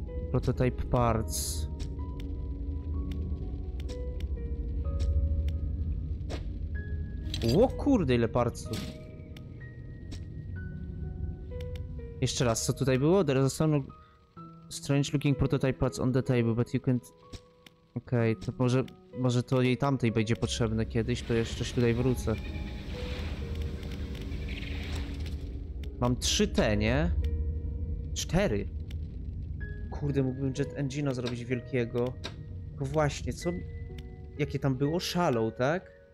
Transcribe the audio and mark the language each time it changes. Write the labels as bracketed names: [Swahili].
[English] Prototype parts. [Polish] O kurde, ile parców. Jeszcze raz, co tutaj było? [English] There is a strange looking prototype parts on the table, but you can't... [Polish] Okej, to może to jej tamtej będzie potrzebne kiedyś, to jeszcze tutaj wrócę. Mam trzy te, nie? Cztery. Kurde, mógłbym Jet Engine'a zrobić wielkiego. Bo właśnie, co... Jakie tam było? Shallow, tak?